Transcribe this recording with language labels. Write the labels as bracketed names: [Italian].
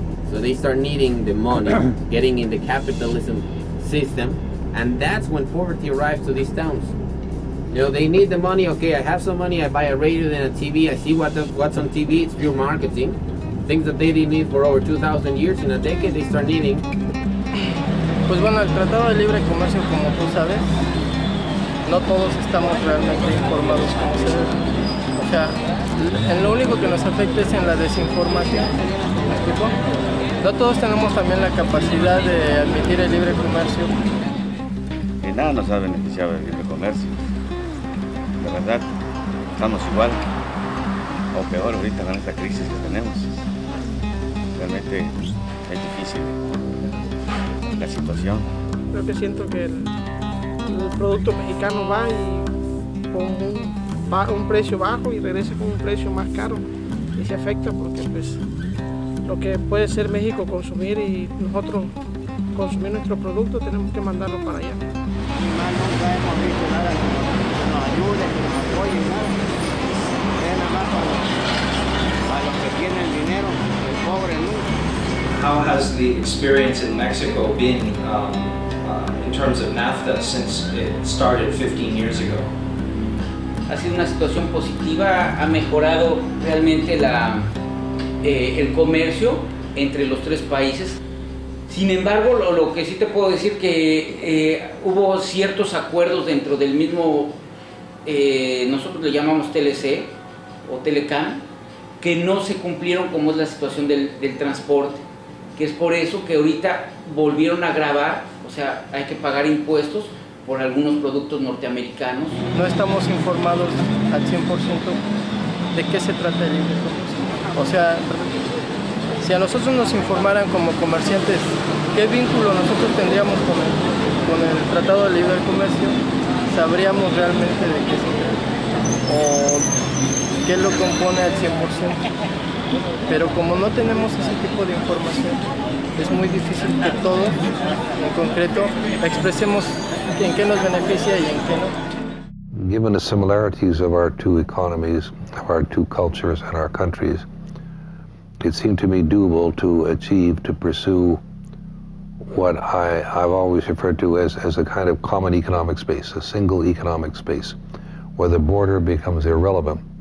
[English] So they start needing the money, getting in the capitalism system. And that's when poverty arrives to these towns. You know, they need the money. Okay, I have some money. I buy a radio and a TV. I see what's on TV. It's pure marketing. Things that they didn't need for over 2,000 years. In a decade, they start needing. [Spanish] Pues bueno, el Tratado de Libre Comercio, como tú sabes, no todos estamos realmente informados como se debe. O sea, en lo único que nos afecta es en la desinformación. ¿Me explico? No todos tenemos también la capacidad de admitir el libre comercio. En nada nos ha beneficiado el libre comercio. De verdad, estamos igual o peor ahorita con esta crisis que tenemos. Realmente es difícil la situación. Creo que siento que el producto mexicano va y con un precio bajo y regresa con un precio más caro. Y se afecta porque pues lo que puede ser México consumir y nosotros consumir nuestro producto, tenemos que mandarlo para allá. Ni más nunca hemos visto nada que nos ayude, que nos apoye, nada. Es nada más para los que tienen el dinero, el pobre nunca. [English] How has the experience in Mexico been in terms of NAFTA since it started 15 years ago? [Spanish] Ha sido una situación positiva, ha mejorado realmente el comercio entre los tres países. Sin embargo, lo que sí te puedo decir que hubo ciertos acuerdos dentro del mismo, nosotros le llamamos TLC o Telecan, que no se cumplieron, como es la situación del transporte. Que es por eso que ahorita volvieron a grabar, o sea, hay que pagar impuestos por algunos productos norteamericanos. No estamos informados al 100% de qué se trata el libre comercio. O sea, si a nosotros nos informaran como comerciantes qué vínculo nosotros tendríamos con el Tratado de Libre Comercio, sabríamos realmente de qué se trata o qué lo compone al 100%. Pero como no tenemos ese tipo de información, es muy difícil que todos, en concreto, expresemos en qué nos beneficia y en qué no. [English] Given the similarities of our two economies, of our two cultures and our countries, it seemed to me doable to achieve, to pursue what I've always referred to as a kind of common economic space, a single economic space, where the border becomes irrelevant.